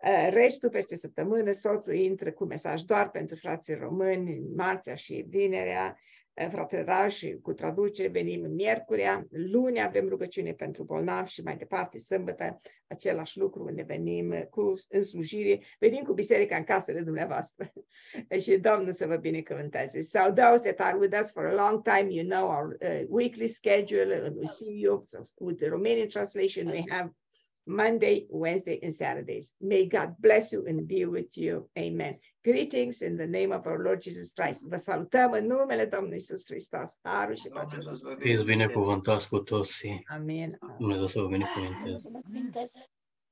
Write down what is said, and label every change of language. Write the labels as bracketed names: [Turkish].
[Romanian] Restul peste săptămână, soțul intră cu mesaj doar pentru frații români, marțea și vinerea, fratele Raș cu traducere, venim miercurea, luni avem rugăciune pentru bolnavi și mai departe, sâmbătă, același lucru, ne venim cu, în slujire, venim cu biserica în casele dumneavoastră și Domnul să vă binecuvânteze. [English] So those that are with us for a long time, you know our weekly schedule, and we see you, so with the Romanian translation, we have Monday, Wednesday and Saturdays. May God bless you and be with you. Amen. Greetings in the name of our Lord Jesus Christ. [Romanian] Vă salutăm în numele Domnului Iisus Hristos. Harul și pacea. Fiți binecuvântați cu toți. Amin. Dumnezeu să vă binecuvânteze.